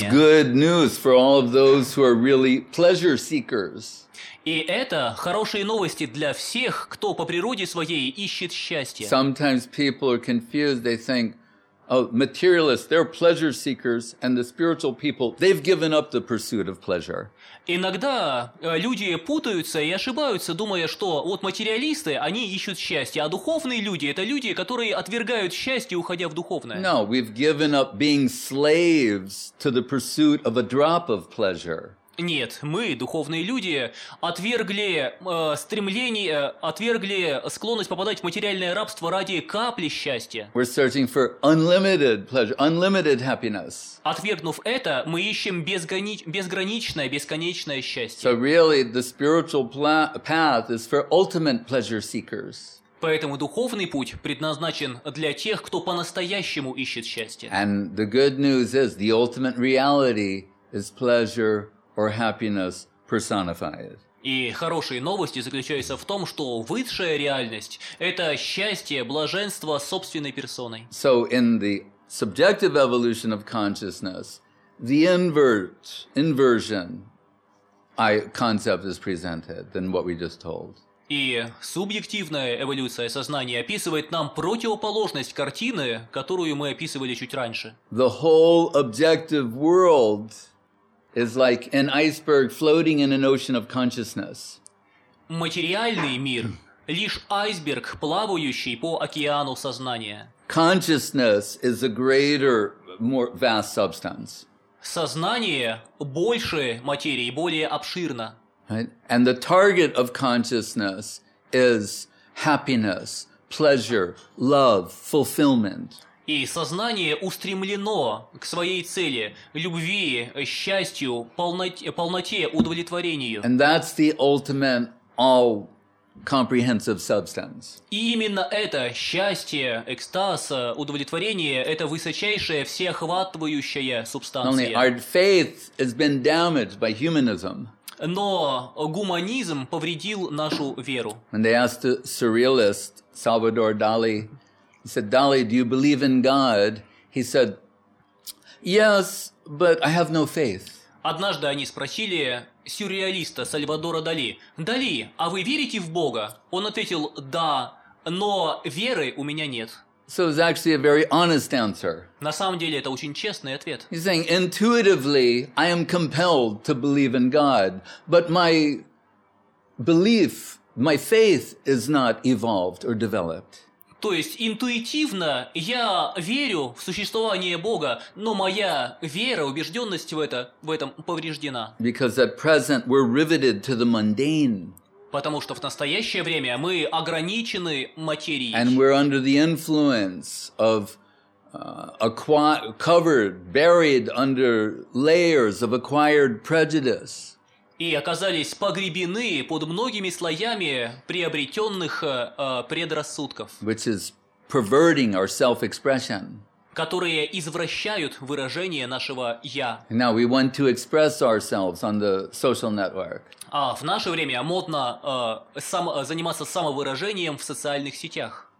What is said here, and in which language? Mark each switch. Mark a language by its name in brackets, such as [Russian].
[English] This is good news for all of those who are really pleasure seekers. [Russian] И это хорошие новости для всех, кто по природе своей ищет счастье. [English] Sometimes people are confused. They think, materialists, they're pleasure seekers, and the spiritual people, they've given up the pursuit of pleasure. [Russian] Иногда люди путаются и ошибаются, думая, что вот материалисты, они ищут счастье, а духовные люди – это люди, которые отвергают счастье, уходя в духовное. [English] No, we've given up being slaves to the pursuit of a drop of pleasure. [Russian] Нет, мы, духовные люди, отвергли стремление, отвергли склонность попадать в материальное рабство ради капли счастья. [English] We're searching for unlimited pleasure, unlimited happiness. [Russian] Отвергнув это, мы ищем безграничное, бесконечное счастье. [English] So really, the spiritual path is for ultimate pleasure seekers. [Russian] Поэтому духовный путь предназначен для тех, кто по-настоящему ищет счастье. [English] And the good news is, the ultimate reality is pleasure or happiness personified. [Russian] И хорошие новости заключаются в том, что высшая реальность – это счастье, блаженство собственной персоной. [English] So in the subjective evolution of consciousness, the inversion concept is presented than what we just told. [Russian] И субъективная эволюция сознания описывает нам противоположность картины, которую мы описывали чуть раньше. [English] The whole objective world is like an iceberg floating in an ocean of consciousness. [Russian] Материальный мир — лишь айсберг, плавающий по океану сознания. [English] Consciousness is a greater, more vast substance. [Russian] Сознание — больше материи, более обширно. [English] Right? And the target of consciousness is happiness, pleasure, love, fulfillment. [Russian] И сознание устремлено к своей цели – любви, счастью, полноте, удовлетворению. [English] And that's the ultimate all-comprehensive substance. [Russian] И именно это – счастье, экстаз, удовлетворение – это высочайшая, всеохватывающая субстанция. [English] Only our faith has been damaged by humanism. [Russian] Но гуманизм повредил нашу веру. [English] When they asked the surrealist Salvador Dali, he said, Dali, do you believe in God? He said, yes, but I have no faith. [Russian] Однажды они спросили сюрреалиста Сальвадора Дали, Дали, а вы верите в Бога? Он ответил, да, но веры у меня нет. [English] So it's actually a very honest answer. [Russian] На самом деле это очень честный ответ. [English] He's saying, intuitively, I am compelled to believe in God, but my belief, my faith is not evolved or developed. [Russian] То есть интуитивно я верю в существование Бога, но моя вера, убежденность в этом повреждена. [English] Because at present we're riveted to the mundane. [Russian] Потому что в настоящее время мы ограничены материей. [English] And we're under the influence of covered, buried under layers of acquired prejudice. [Russian] И оказались погребены под многими слоями приобретенных предрассудков, [English] which is perverting our self-expression, [Russian] которые извращают выражение нашего «я». [English] Now we want to express ourselves on the social network. [Russian] А в наше время модно заниматься самовыражением в социальных сетях.